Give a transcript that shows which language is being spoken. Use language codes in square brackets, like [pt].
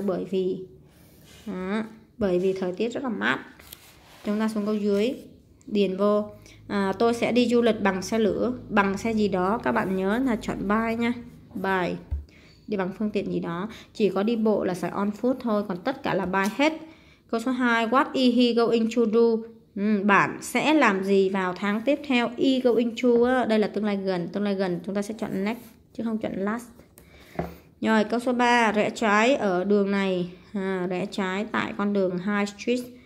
[vi] Bởi vì đó. Bởi vì thời tiết rất là mát. Chúng ta xuống câu dưới, điền vô. Tôi sẽ đi du lịch bằng xe lửa. Bằng xe gì đó, các bạn nhớ là chọn by nha. By, đi bằng phương tiện gì đó. Chỉ có đi bộ là phải on foot thôi, còn tất cả là by hết. Câu số 2, [en] what is he going to do? [vi] Bạn sẽ làm gì vào tháng tiếp theo? [en] He going to, [vi] đây là tương lai gần. Tương lai gần chúng ta sẽ chọn next, chứ không chọn last. Rồi, câu số 3, rẽ trái ở đường này. Rẽ trái tại con đường High Street.